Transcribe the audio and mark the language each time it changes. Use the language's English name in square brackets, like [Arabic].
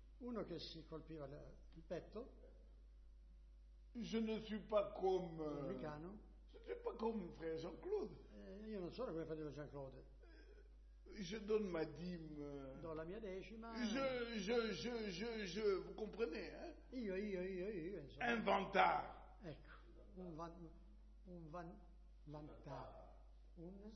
[Italian] Uno che si colpiva il petto. [French] Je ne suis pas comme. [Italian] Americano. [French] Je ne suis pas comme frère Jean-Claude. [Italian] Io non sono come fratello Jean-Claude. [French] Je donne ma dîme. [Italian] Do la mia decima. [French] Je, vous comprenez, hein? [Italian] Io. Insomma. [French] Un vantard. [Italian] Ecco. [French] Un vantard. [Italian] Un.